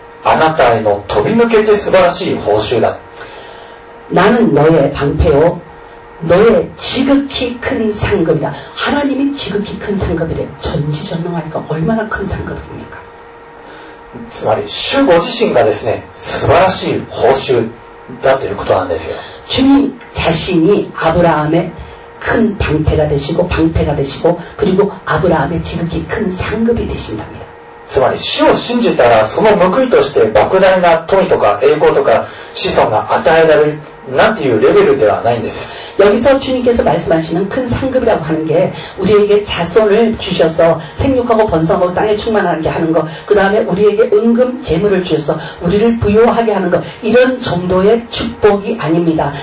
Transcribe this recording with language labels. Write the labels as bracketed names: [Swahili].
[Japanese] 原文を直訳しますと、私があなたの盾、そしてあなたへの飛び抜けて素晴らしい報酬だ. [Korean] 나는 너의 방패요, 너의 지극히 큰 상급이다. 하나님이 지극히 큰 상급이래. 전지전능하니까 얼마나 큰 상급입니까? [Japanese] 즉,主ご自身がですね、素晴らしい報酬だということなんですよ. [Korean] 주님 자신이 아브라함의 큰 방패가 되시고, 방패가 되시고, 그리고 아브라함의 지극히 큰 상급이 되신답니다. [Japanese] つまり主を信じたら、その報いとして莫大な富とか栄光とか子孫が与えられるなんていうレベルではないんです. [Korean] 여기서 주님께서 말씀하시는 큰 상급이라고 하는 게 우리에게 자손을 주셔서 생육하고 번성하고 땅에 충만하게 하는 것, 그 다음에 우리에게 은금 재물을 주셔서 우리를 부유하게 하는 것, 이런 정도의 축복이 아닙니다.